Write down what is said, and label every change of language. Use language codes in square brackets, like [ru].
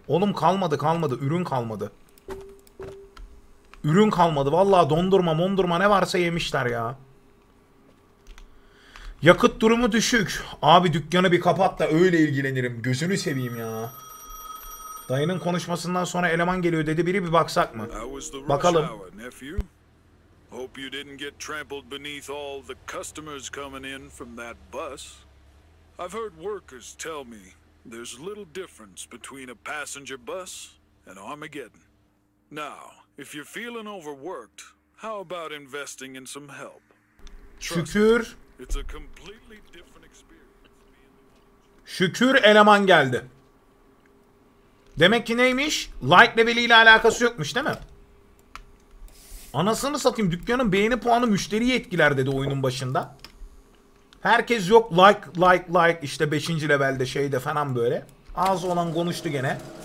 [tr] Oğlum kalmadı kalmadı, ürün kalmadı. Ürün kalmadı vallahi, dondurma mondurma ne varsa yemişler ya. Yakıt durumu düşük. Abi dükkanı bir kapat da öyle ilgilenirim, gözünü seveyim ya. Dayının konuşmasından sonra eleman geliyor dedi, biri bir baksak mı? Bakalım. [en] Hope you didn't get trampled beneath all the customers coming in from that bus. I've heard workers tell me there's little difference between a passenger bus and Armageddon. Now, if you're feeling overworked, how about investing in some help? [tr] Şükür. [en] It's a completely different experience. [tr] Şükür eleman geldi. Demek ki neymiş? Light level ile alakası yokmuş, değil mi? Anasını satayım, dükkanın beğeni puanı müşteriyi etkiler dedi oyunun başında. Herkes yok like işte 5. levelde şeyde falan böyle. Ağzı olan konuştu gene.